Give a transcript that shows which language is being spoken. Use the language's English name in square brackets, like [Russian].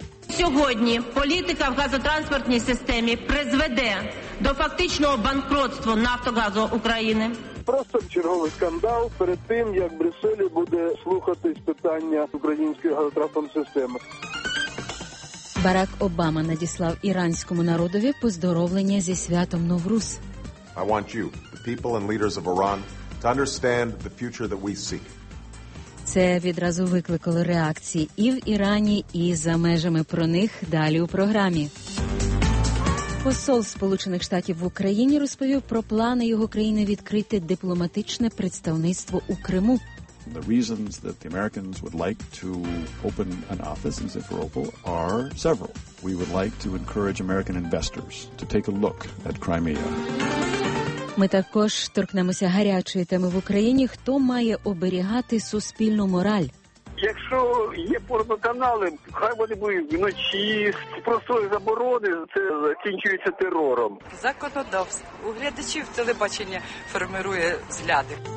[Ukrainian] Сьогодні політика в газотранспортній системі призведе до фактичного банкротства «Нафтогазу України». Просто черговий скандал перед тим, як в Брюсселі буде слухатись питання української газотранспортної системи. Барак Обама надіслав іранському народові поздоровлення зі святом Новруз. [English] I want you, the people and leaders of Iran, to understand the future that we seek. [Ukrainian] Це відразу викликало реакції і в Ірані, і за межами. Про них далі у програмі. Посол Сполучених Штатів в Україні розповів про плани його країни відкрити дипломатичне представництво у Криму. [English] The reasons that the Americans would like to open an office in Zipporopol are several. We would like to encourage American investors to take a look at Crimea. [Ukrainian] Ми також торкнемося гарячої теми в Україні. Хто має оберігати суспільну мораль? Якщо є порноканали, хай вони будуть вночі. Просто заборони, це закінчується терором. Законодавство у глядачів телебачення формирує зляди.